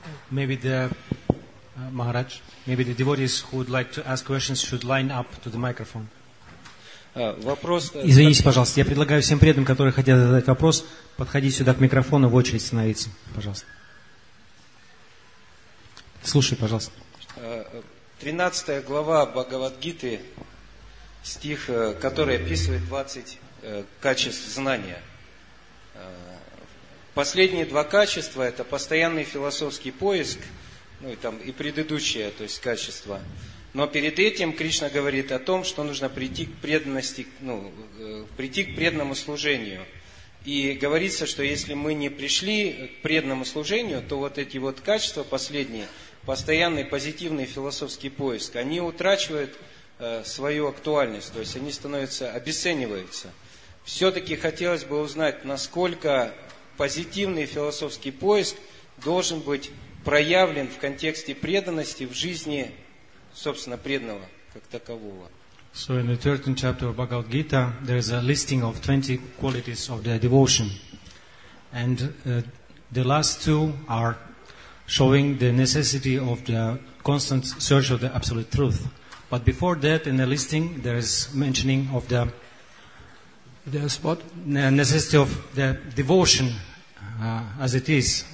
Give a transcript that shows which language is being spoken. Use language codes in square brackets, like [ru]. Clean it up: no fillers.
[en] Maybe the Maharaj, maybe the devotees who would like to ask questions should line up to the microphone. [ru] Вопрос... Извините, пожалуйста, я предлагаю всем преданным, которые хотят задать вопрос, подходить сюда к микрофону, в очередь становиться, пожалуйста. Слушай, пожалуйста. 13 глава Бхагавадгиты, стих, который описывает 20 качеств знания. Последние два качества – это постоянный философский поиск, ну и там и предыдущее, то есть качество. Но перед этим Кришна говорит о том, что нужно прийти к преданности, ну, прийти к преданному служению. И говорится, что если мы не пришли к преданному служению, то вот эти вот качества последние, постоянный позитивный философский поиск, они утрачивают свою актуальность, то есть они становятся, обесцениваются. Все-таки хотелось бы узнать, насколько позитивный философский поиск должен быть проявлен в контексте преданности в жизни, собственно, преданного как такового. [en] So in the 13th chapter of Bhagavad Gita, there is a listing of 20 qualities of the devotion. And the last two are showing the necessity of the constant search of the absolute truth. But before that, in the listing, there is mentioning of the necessity of the devotion as it is.